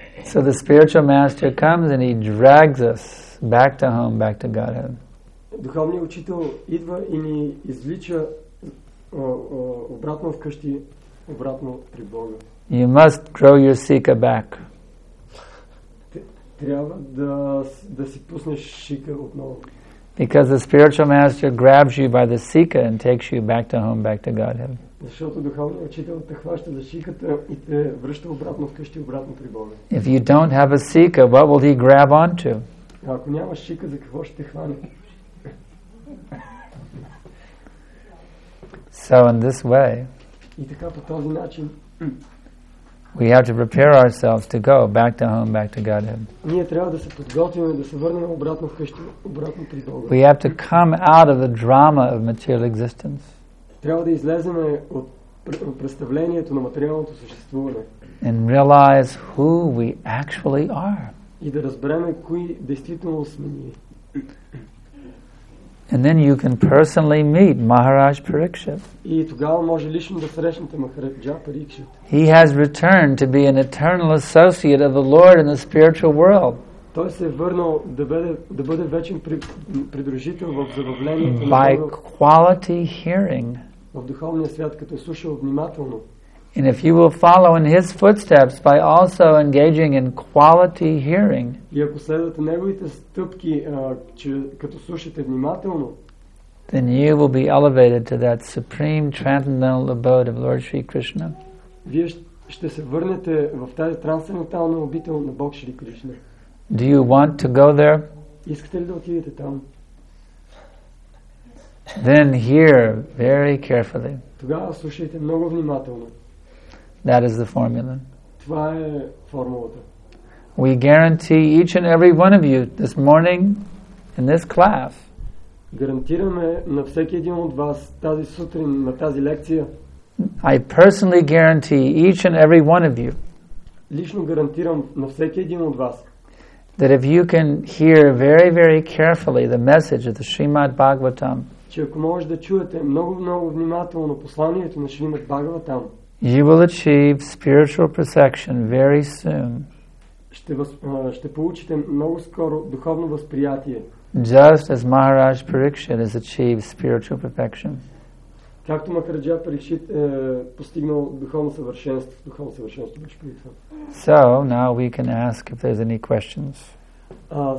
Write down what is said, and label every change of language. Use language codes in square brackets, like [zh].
[en] So the spiritual master comes and he drags us back to home, back to Godhead. [bg] Духовният учител идва и ни извлича обратно вкъщи, обратно при Бога. [en] You must grow your sikha back. [bg] Трябва да си пуснеш шика отново. [en] Because the spiritual master grabs you by the sikha and takes you back to home, back to Godhead. [bg] Защото духовният учител те хваща за шиката и те връща обратно вкъщи, обратно при Бога. [en] If you don't have a sikha, what will he grab onto? [bg] Ако нямаш шика, за какво ще те хвани? [en] So in this way, [bg] и така по този начин, [en] we have to prepare ourselves to go back to home, back to Godhead. [bg] Ние трябва да се подготвим да се върнем обратно вкъщи, обратно при Бога. [en] We have to come out of the drama of material existence. [bg] Трябва да излезем от представлението на материалното съществуване. [en] And realize who we actually are. [bg] И да разберем кои действително сме ние. [en] And then you can personally meet Maharaj Parikshit. [bg] И тогава може лично да срещнете Махараджа Парикшит. [en] He has returned to be an eternal associate of the Lord in the spiritual world. [bg] Той се е върнал да бъде вечен придружител в забавлението на Бога. [en] By quality hearing. [bg] В духовния свят, като е слушал внимателно. [en] And if you will follow in his footsteps by also engaging in quality hearing, [bg] и ако следвате неговите стъпки, като слушате внимателно, [en] then you will be elevated to that supreme transcendental abode of Lord Shri Krishna. [bg] Вие ще се върнете в тази трансцендентална обител на Бог Шри Кришна. [en] Do you want to go there? [bg] Искате ли да отидете там? [en] Then hear very carefully. [bg] Тогава слушайте много внимателно. [en] That is the formula. [bg] Това е формулата. [en] We guarantee each and every one of you this morning in this class. [bg] Гарантираме на всеки един от вас тази сутрин на тази лекция. [en] I personally guarantee each and every one of you. [bg] Лично гарантирам на всеки един от вас. [en] That if you can hear very, very carefully the message of the Srimad Bhagavatam. [bg] Че ако можете да чуете много, много внимателно посланието на Шримад Бхагаватам. [en] You will achieve spiritual perfection very soon. [bg] Ще получите много скоро духовно възприятие. [en] Just as Maharaj Parikshit has achieved spiritual perfection. [bg] Както Махараджа Парикшит е постигнал духовно съвършенство беше при това. [en] So now we can ask if there's any questions.